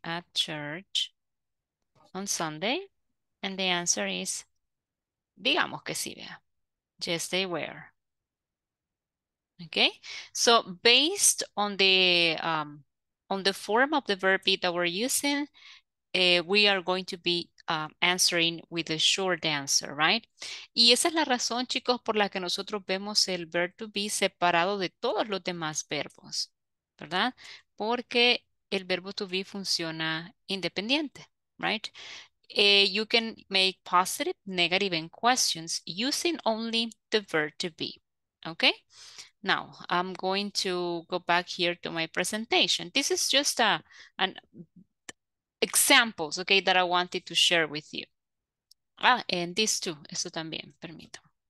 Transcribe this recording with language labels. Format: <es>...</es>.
<en>At church on Sunday? And the answer is,</en> <es>digamos que sí, vea.</es> <en>Yes, they were. Okay? So based on the form of the verb that we're using, we are going to be answering with a short answer, right?</en> <es>Y esa es la razón, chicos, por la que nosotros vemos el verb to be separado de todos los demás verbos, ¿verdad? Porque el verbo to be funciona independiente, right?</es> <en>You can make positive, negative, and questions using only the verb to be. Okay, now I'm going to go back here to my presentation. This is just an examples, okay, that I wanted to share with you. Ah, and this too,</en> <es>eso también, permito.</es>